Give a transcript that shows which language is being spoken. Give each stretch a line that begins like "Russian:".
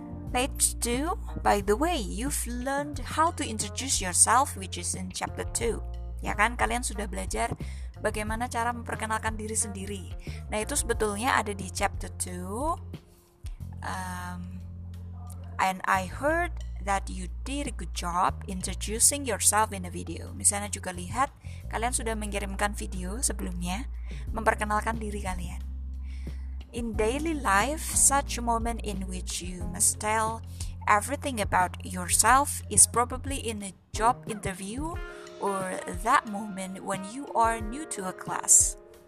English: Page 2, by the way, you've learned how to introduce yourself, which is in chapter 2.
Indonesian: Ya kan, kalian sudah belajar bagaimana cara memperkenalkan diri sendiri. Nah, itu sebetulnya ada di chapter 2.
English: And I heard that you did a good job introducing yourself in a video.
Indonesian: Misalnya juga lihat, kalian sudah mengirimkan video sebelumnya memperkenalkan diri kalian.
English: In daily life, such a moment in which you must tell everything about yourself is probably in a job interview or that moment when you are new to a class.